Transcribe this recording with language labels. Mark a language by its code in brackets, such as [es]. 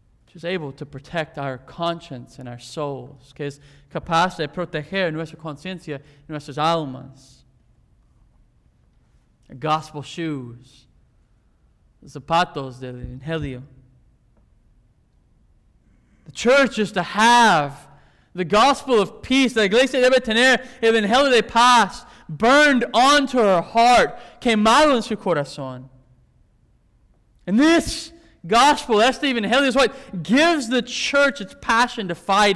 [en] which is able to protect our conscience and our souls, [es] que es capaz de proteger nuestra conciencia y nuestras almas. [en] Gospel shoes, [es] zapatos del Evangelio. [en] The church is to have the gospel of peace. [es] La iglesia debe tener el Evangelio de paz [en] burned onto her heart, [es] quemado en su corazón. [en] And this gospel, [es] este Evangelio, [en] is what gives the church its passion to fight.